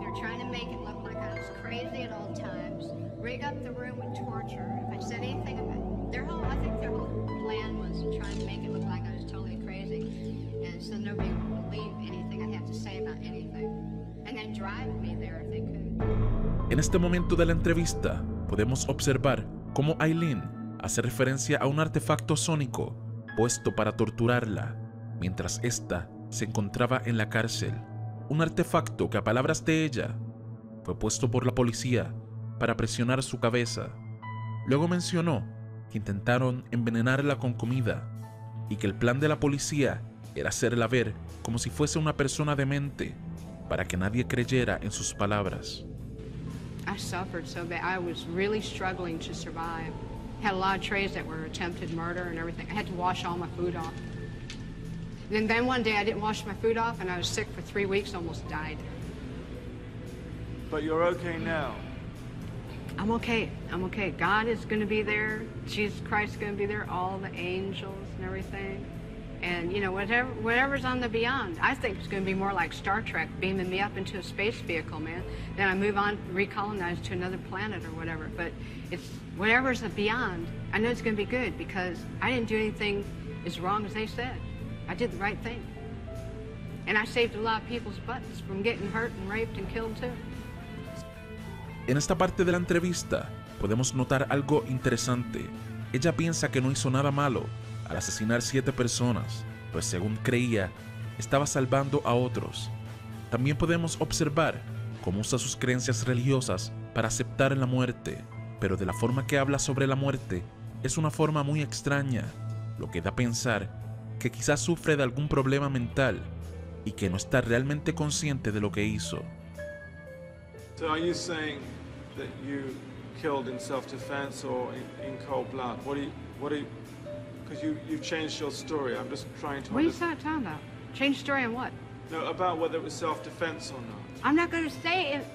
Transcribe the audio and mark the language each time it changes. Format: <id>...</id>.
<en>They're trying to make it look like I was crazy at all times, rig up the room with torture. If I said anything about their whole, I think their whole plan was trying to make it look like I was totally crazy, and so nobody would believe anything I have to say about anything, and then drive me there if they could.</en> <es>En este momento de la entrevista, podemos observar cómo Aileen hace referencia a un artefacto sónico puesto para torturarla mientras ésta se encontraba en la cárcel. Un artefacto que, a palabras de ella, fue puesto por la policía para presionar su cabeza. Luego mencionó que intentaron envenenarla con comida y que el plan de la policía era hacerla ver como si fuese una persona demente para que nadie creyera en sus palabras.</es> <en>I suffered so bad. I was really struggling to survive. Had a lot of trays that were attempted murder and everything. I had to wash all my food off. And then one day I didn't wash my food off and I was sick for 3 weeks, almost died. But you're okay now. I'm okay. I'm okay. God is going to be there. Jesus Christ is going to be there. All the angels and everything. And, you know, whatever's on the beyond, I think it's going to be more like Star Trek beaming me up into a space vehicle, man. Then I move on, recolonize to another planet or whatever. But it's whatever's the beyond, I know it's going to be good because I didn't do anything as wrong as they said. I did the right thing. And I saved a lot of people's butts from getting hurt and raped and killed, too.</en> <es>En esta parte de la entrevista, podemos notar algo interesante. Ella piensa que no hizo nada malo al asesinar 7 personas, pues según creía, estaba salvando a otros. También podemos observar cómo usa sus creencias religiosas para aceptar la muerte, pero de la forma que habla sobre la muerte, es una forma muy extraña, lo que da a pensar que quizás sufre de algún problema mental y que no está realmente consciente de lo que hizo.</es> <en>So are you saying that you killed in self-defense or in cold blood? Because you've changed your story. I'm just trying to... What are you talking about? Change story on what? No, about whether it was self-defense or not. I'm not going to say it.</en>